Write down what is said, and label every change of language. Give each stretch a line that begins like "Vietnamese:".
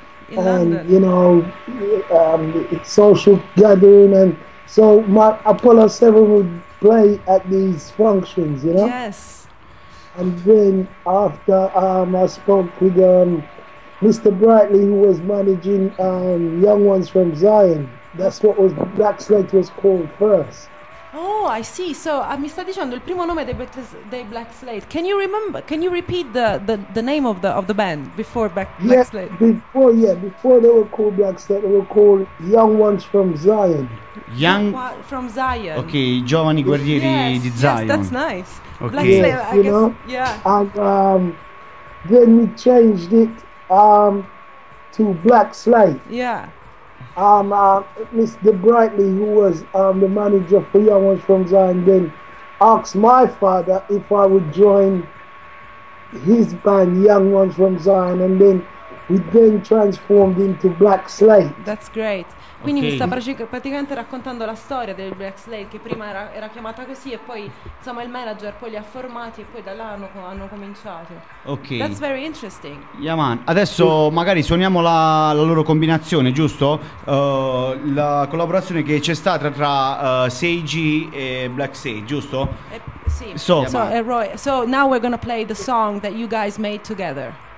English: You know, social gathering, and so my Apollo 7 would play at these functions, you know. Yes. And then after I spoke with Mr. Brightley, who was managing Young Ones from Zion. That's what was Black Slate was called first. Oh, I see.
Italian: So mi sta dicendo il primo nome dei Black Slate.
English: Can you remember? Can you repeat the name of the band before Black Slate? Before they were called Black Slate, they were called Young Ones from Zion. Young from Zion.
Italian: Okay, giovani guerrieri di Zion.
English: Yes, that's nice. Okay. Black Slave, I guess. Yeah. And then we changed it to Black Slave. Yeah. Mr. Brightly, who was the manager for Young Ones from Zion, then asked my father if I would join his band, Young Ones from Zion, and then we then transformed into Black Slave. That's great.
Italian: Quindi okay. Mi sta praticamente raccontando la storia del Black Slade, che prima era chiamata così, e poi insomma il manager poi li ha formati e poi da là hanno cominciato. Ok.
English: That's very interesting.
Italian: Yaman, adesso sì. Magari suoniamo la loro combinazione, giusto? La collaborazione che c'è stata tra Seiji e Black Slade, giusto? Sì.
English: So Roy, so now we're gonna play the song that you guys made together.